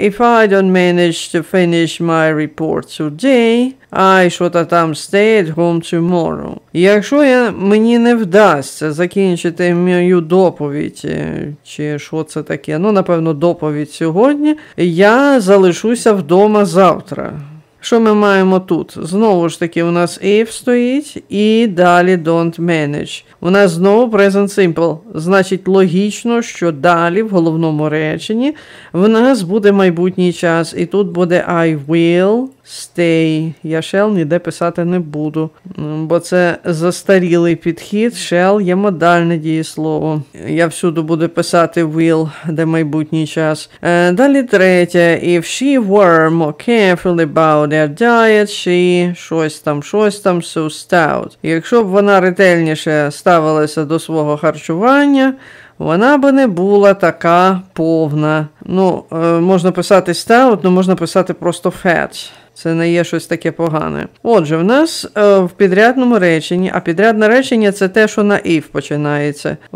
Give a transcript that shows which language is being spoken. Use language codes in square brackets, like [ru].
[en] If I don't manage to finish my report today, I should [uk] там [en] stay at home tomorrow. [uk] Якщо мені не вдасться закінчити мою доповідь, чи що це таке, ну, напевно, доповідь сьогодні, я залишуся вдома завтра. Що ми маємо тут? Знову ж таки, у нас if стоїть, і далі [en] don't manage. [uk] У нас знову present simple. Значить, логічно, що далі в головному реченні в нас буде майбутній час. І тут буде [en] I will stay. [uk] Я shall ніде писати не буду, бо це застарілий підхід. Shall є модальне дієслово. Я всюди буду писати will, де майбутній час. Далі третє. [en] If she were more careful about their diet, she [uk] щось там, [en] so stout. [uk] Якщо б вона ретельніше ставилася до свого харчування, вона би не була така повна. Ну, можна писати stout, але можна писати просто fat. Це не є щось таке погане. Отже, в нас в підрядному реченні, а підрядне речення – це те, що на if починається.